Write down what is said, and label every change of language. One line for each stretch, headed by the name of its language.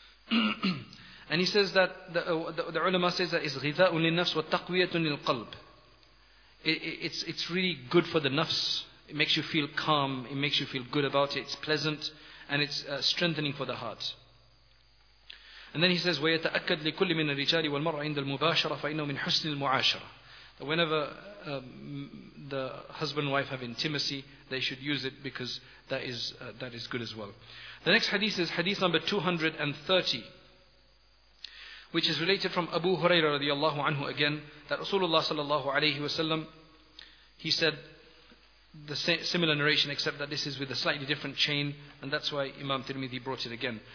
English: And he says that, the ulama says that it's
Arabic: ghidha'un lil-nafs wa taqwiyatun lil-qalb.
English: It's really good for the nafs. It makes you feel calm, it makes you feel good about it, it's pleasant, and it's strengthening for the heart. And then he says,
Arabic: وَيَتَأَكَّدْ لِكُلِّ مِنَ الرِّجَالِ وَالْمَرْأَ عِنْدَ الْمُبَاشَرَةِ فَإِنَّهُ مِنْ حُسْنِ الْمُعَاشَرَةِ.
English: Whenever the husband and wife have intimacy, they should use it, because that is good as well. The next hadith is hadith number 230, which is related from Abu Huraira radiallahu anhu again, that Rasulullah sallallahu alayhi wasallam, he said the similar narration, except that this is with a slightly different chain, and that's why Imam Tirmidhi brought it again.